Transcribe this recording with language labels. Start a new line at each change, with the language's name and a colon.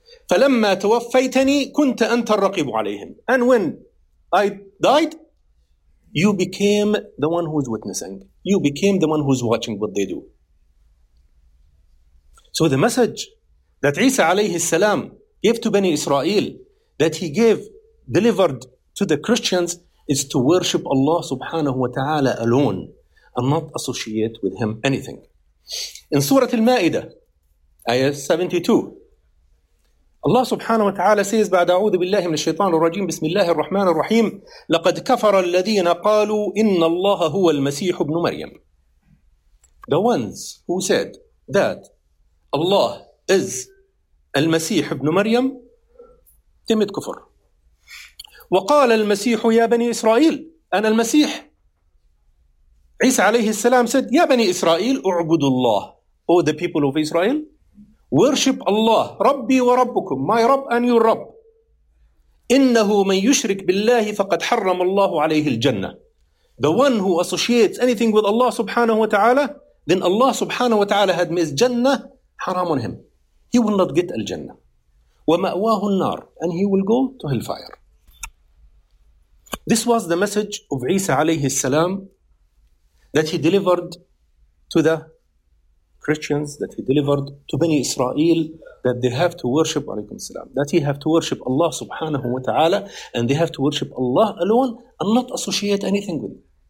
Arabic: فلما توفيتني كنت أنت الرقيب عليهم.
English: And when I died, you became the one who is witnessing. You became the one who is watching what they do. So the message that Isa alayhi salam gave to Bani Israel, that he gave, delivered to the Christians, is to worship Allah subhanahu wa ta'ala alone and not associate with him anything. In Surah Al-Ma'idah, Ayah 72, Allah subhanahu wa ta'ala says,
Arabic: بعد أعوذ بالله من الشيطان الرجيم بسم الله الرحمن الرحيم لقد كفر الذين قالوا إن الله هو المسيح ابن مريم.
English: The ones who said that Allah is المسيح ابن مريم, they made kufr.
Arabic: وقال المسيح يا بني إسرائيل, أنا المسيح. عيسى عليه السلام
English: said,
Arabic: يا بني إسرائيل اعبدوا الله.
English: Oh, the people of Israel, worship Allah,
Arabic: ربي وربكم,
English: my Rabb and your Rabb.
Arabic: إنه من يشرك بالله فقد حرم الله عليه الجنة.
English: The one who associates anything with Allah subhanahu wa ta'ala, then Allah subhanahu wa ta'ala had made Jannah haram on him. He will not get al-Jannah.
Arabic: ومأواه النار,
English: and he will go to hellfire. This was the message of Isa alayhi salam that he delivered to the Christians, that he delivered to Bani Israel, that they have to worship, alaykum salam, that he have to worship Allah subhanahu wa ta'ala, and they have to worship Allah alone and not associate anything with him.